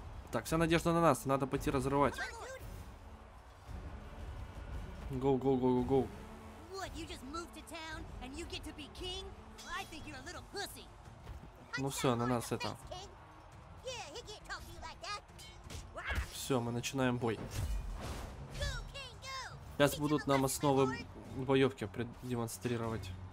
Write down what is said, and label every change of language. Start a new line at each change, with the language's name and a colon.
Russian: Так, вся надежда на нас, надо пойти разрывать.
English: Гоу, гоу, гоу, гоу, гоу. What, you just moved to town, and you get to be king? Well, I think you're a little pussy.
Russian: Ну все, на нас это.
English: Yeah, he can't talk to you like that.
Russian: Все, мы начинаем бой.
English: Go, king, go.
Russian: Сейчас he будут нам основы боевки продемонстрировать.